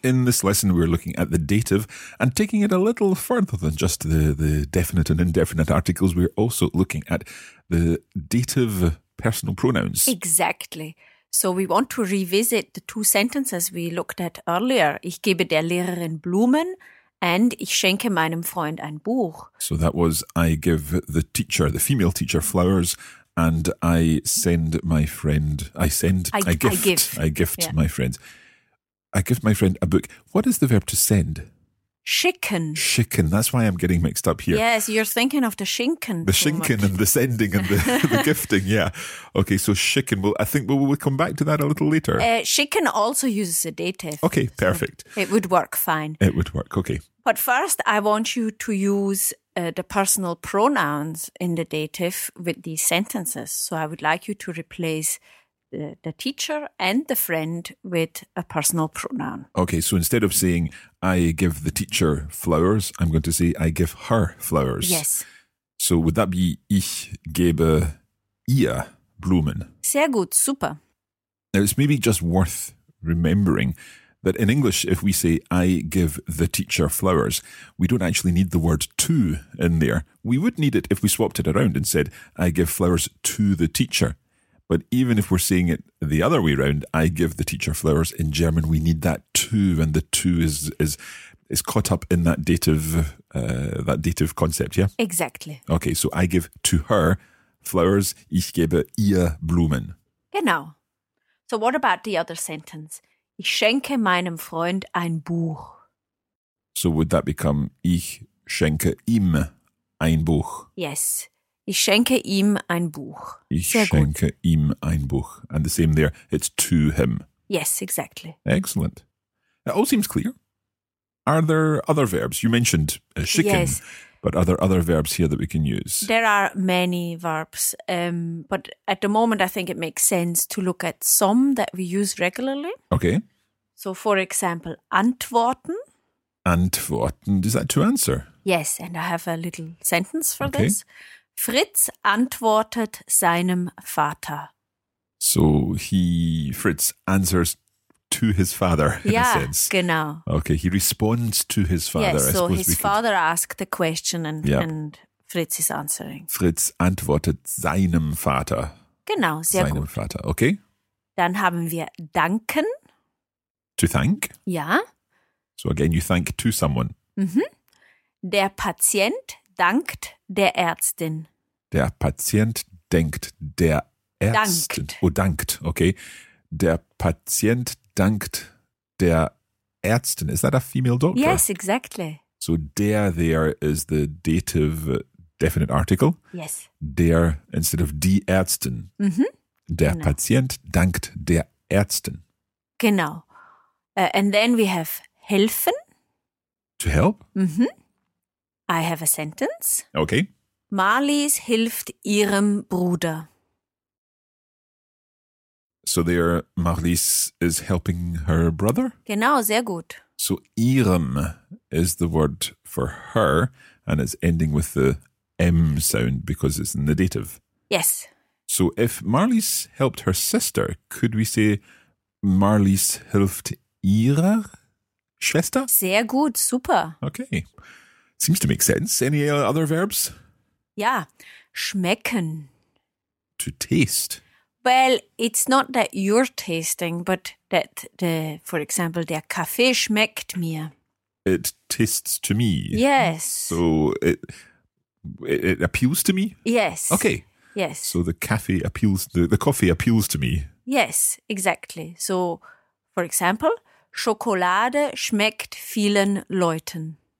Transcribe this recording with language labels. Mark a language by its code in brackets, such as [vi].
[en] In this lesson, we're looking at the dative and taking it a little further than just the definite and indefinite articles. We're also looking at the dative personal pronouns. Exactly. So we want to revisit the 2 sentences we looked at earlier. [de] Ich gebe der Lehrerin Blumen and ich schenke meinem Freund ein Buch. [en] So that was I give the teacher, the female teacher, flowers. And I send my friend, I gift my friends. I gift my friend a book. What is the verb to send? [de] Schicken. Schicken. [en] That's why I'm getting mixed up here. Yes, you're thinking of the Schinken. The Schinken and the sending and the gifting, yeah. Okay, so Schicken. Well, I think we'll come back to that a little later. Schicken also uses a dative. Okay, perfect. So it would work fine. It would work, okay. But first, I want you to use the personal pronouns in the dative with these sentences. So I would like you to replace the teacher and the friend with a personal pronoun. Okay, so instead of saying, I give the teacher flowers, I'm going to say, I give her flowers. Yes. So would that be, [de] ich gebe ihr Blumen? Sehr gut, super. [en] Now, it's maybe just worth remembering that in English, if we say, I give the teacher flowers, we don't actually need the word to in there. We would need it if we swapped it around and said, I give flowers to the teacher. But even if we're saying it the other way around, I give the teacher flowers, in German, we need that too. And the too is caught up in that dative concept, yeah? Exactly. Okay, so I give to her flowers, [de] ich gebe ihr Blumen. Genau. [en] So what about the other sentence? [de] Ich schenke meinem Freund ein Buch. [en] So would that become, [de] ich schenke ihm ein Buch? [en] Yes. [de] Ich schenke ihm ein Buch. Ich schenke ihm ein Buch. [en] And the same there, it's to him. Yes, exactly. Excellent. It all seems clear. Are there other verbs? You mentioned schicken. Yes. But are there other verbs here that we can use? There are many verbs. But at the moment, I think it makes sense to look at some that we use regularly. Okay. So, for example, antworten. Antworten, is that to answer? Yes, and I have a little sentence for this. [de] Fritz antwortet seinem Vater. [en] So Fritz answers to his father, yeah, in a sense. [de] Genau. [en] Okay, he responds to his father. Yes, father asked the question and Fritz is answering. [de] Fritz antwortet seinem Vater. Genau, sehr seinem gut. Seinem Vater, okay. Dann haben wir danken. [en] To thank? [de] Ja. [en] So again, you thank to someone. Mhm. [de] Der Patient dankt der Ärztin. Der Patient denkt der Ärztin. Dankt. [en] Oh, dankt, okay. [de] Der Patient dankt der Ärztin. [en] Is that a female doctor? Yes, exactly. So der there is the dative definite article. Yes. Der instead of die Ärztin. Mm-hmm. [de] Der genau. Patient dankt der Ärztin. [en] Genau. And then we have helfen. To help? Mm-hmm. I have a sentence. Okay. [de] Marlies hilft ihrem Bruder. [en] So there, Marlies is helping her brother? [de] Genau, sehr gut. [en] So ihrem is the word for her, and it's ending with the M sound because it's in the dative. Yes. So if Marlies helped her sister, could we say [de] Marlies hilft ihrer Schwester? Sehr gut, super. [en] Okay. Seems to make sense. Any other verbs? Yeah. Schmecken. To taste. Well, it's not that you're tasting, but that the, for example, [de] der Kaffee schmeckt mir. [en] It tastes to me. Yes. So it appeals to me? Yes. Okay. Yes. So the coffee appeals to me. Yes, exactly. So, for example, [de] Schokolade schmeckt vielen Leuten.